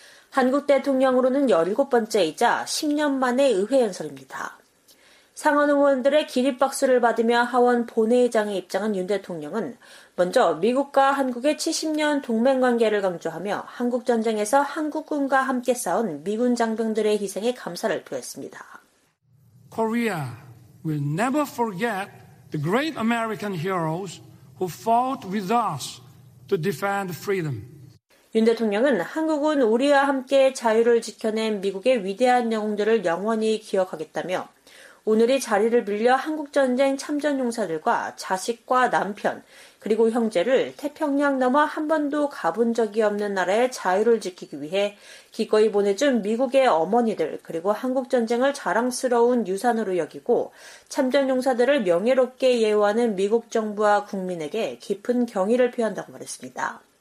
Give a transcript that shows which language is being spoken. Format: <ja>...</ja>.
<ko>한국 대통령으로는 17번째이자 10년 만의 의회 연설입니다. 상원 의원들의 기립박수를 받으며 하원 본회의장에 입장한 윤 대통령은 먼저 미국과 한국의 70년 동맹관계를 강조하며 한국전쟁에서 한국군과 함께 싸운 미군 장병들의 희생에 감사를 표했습니다.</ko> <en>Korea will never forget the great American heroes who fought with us to defend freedom.</en> <ko>윤 대통령은 한국은 우리와 함께 자유를 지켜낸 미국의 위대한 영웅들을 영원히 기억하겠다며 오늘이 자리를 빌려 한국전쟁 참전용사들과 자식과 남편, 그리고 형제를 태평양 넘어 한 번도 가본 적이 없는 나라의 자유를 지키기 위해 기꺼이 보내준 미국의 어머니들, 그리고 한국전쟁을 자랑스러운 유산으로 여기고 참전용사들을 명예롭게 예우하는 미국 정부와 국민에게 깊은 경의를 표한다고 말했습니다.</ko>